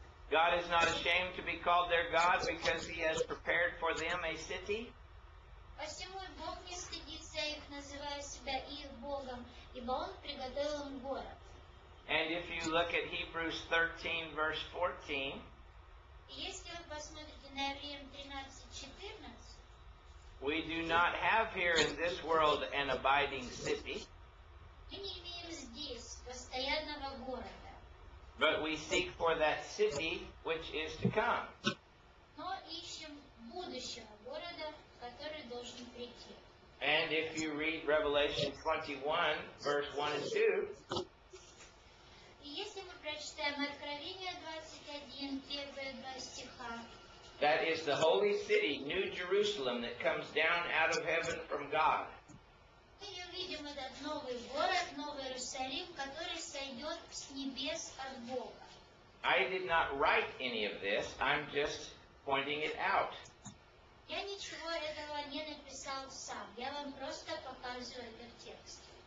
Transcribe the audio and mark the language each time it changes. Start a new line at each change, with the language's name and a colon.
English: God is not ashamed to be called their God because he has prepared for them a city.
Russian: Посему Бог не стыдится их, называя себя их Богом, ибо он приготовил им город.
English: And if you look at Hebrews 13, verse 14,
Russian: если вы посмотрите на Евреям 13:14,
English: we do not have here in this world an abiding city.
Russian: Мы не имеем здесь постоянного города.
English: But we seek for that city which is to come.
Russian: Но ищем будущего города, который должен прийти.
English: And if you read Revelation 21, verse 1 and 2,
Russian: и если мы прочитаем Откровение 21, первые два стиха,
English: that is the holy city, New Jerusalem, that comes down out of heaven from God.
Russian: Мы видим этот новый город, Новый Иерусалим, который сойдет с небес от Бога.
English: I did not write any of this. I'm just pointing it out.
Russian: Я ничего этого не написал сам. Я вам просто показываю этот текст.